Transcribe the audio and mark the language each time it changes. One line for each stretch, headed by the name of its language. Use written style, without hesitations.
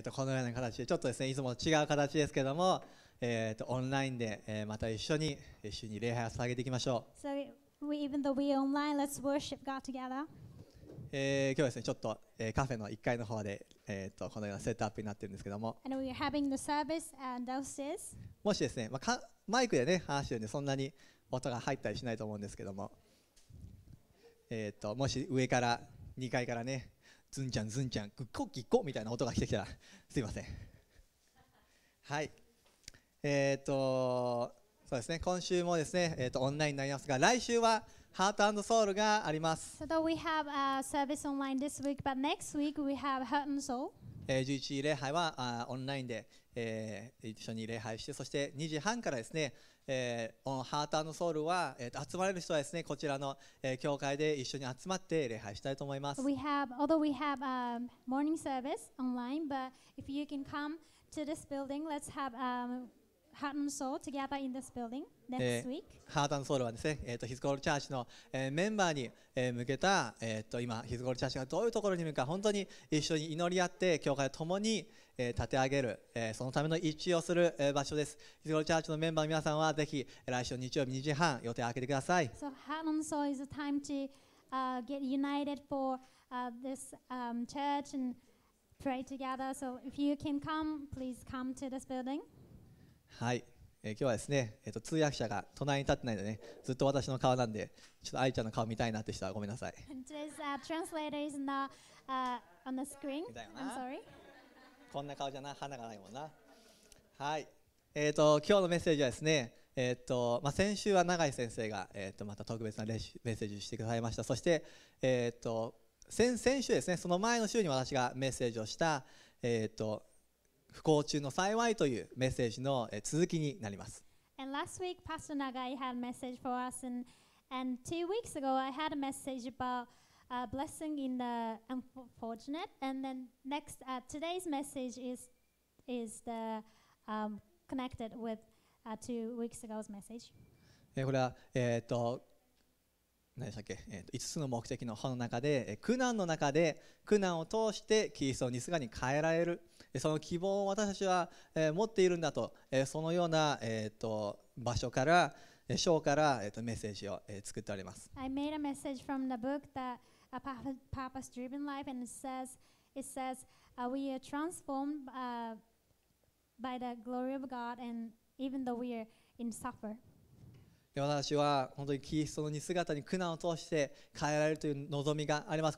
Japanese: このような形でちょっとですね、いつもと違う形ですけども、オンラインで、また一緒に礼拝を捧げていきましょう。
English: So even though we're online, let's worship God together.
Japanese: 今日はですね、ちょっと、カフェの1階の方で、このようなセットアップになっているんですけども。
English: And we're having the service and downstairs.
Japanese: もしですね、まあ、マイクでね話してるんでそんなに音が入ったりしないと思うんですけども、もし上から2階からね。ズンちゃんズンちゃんグッコッキッコみたいな音が来てきたらすいません。はい、そうですね、今週もですね、オンラインになりますが、来週はハート&ソウルがあります。
English: So we have a service online this week, but next week we have Heart and Soul.
Japanese: 11時礼拝はオンラインで、一緒に礼拝して、そして2時半からですね、ハート&ソウルは、集まれる人はですね、こちらの、教会で一緒に集まって礼拝したいと思います。
English: We have, although we have a morning service online, but if you can come to this building, let's have Heart and Soul together in this building next week.
Japanese: ハート&ソウルはですね、ヒズコールチャーチの、メンバーに、向けた、今ヒズコールチャーチがどういうところにいるか、本当に一緒に祈り合って教会を共に立て上げる、そのための一致をする場所です。ヒズコールチャーチのメンバーの皆さんはぜひ来週の日曜日2時半予定を開けてください。
English: So Heart and Soul is a time to get united for this church and pray together. So if you can come, please come to this building.
Japanese: はい、今日はですね、通訳者が隣に立ってないのでね、ずっと私の顔なんで、ちょっと愛ちゃんの顔見たいなって人はごめんなさい。
English: Today's translator is not on the screen. I'm sorry
Japanese: こんな顔じゃな、鼻がないもんな。はい、今日のメッセージはですね、まあ、先週は永井先生が、また特別なメッセージをしてくださいました。そして、先週ですね、その前の週に私がメッセージをした、不幸中の幸いというメッセージの続きになります。
English: And last week, Pastor Nagai had a message for us and 2 weeks ago, I had a message aboutblessing in the unfortunate, and then next, today's message is the connected with2 weeks ago's message.
Japanese: これは何でしたっけ、5つの目的の本の中で、苦難の中で苦難を通してキリストの姿に変えられる、その希望を私たちは、持っているんだと、そのような、場所から章から、メッセージを、作っております。
English: I made a message from the book thatA purpose-driven life, and it says, we are transformed by the glory of God, and even though we are in suffer.
Japanese: 私は本当にキリストの似姿に苦難を通して変えられるという望みがあります。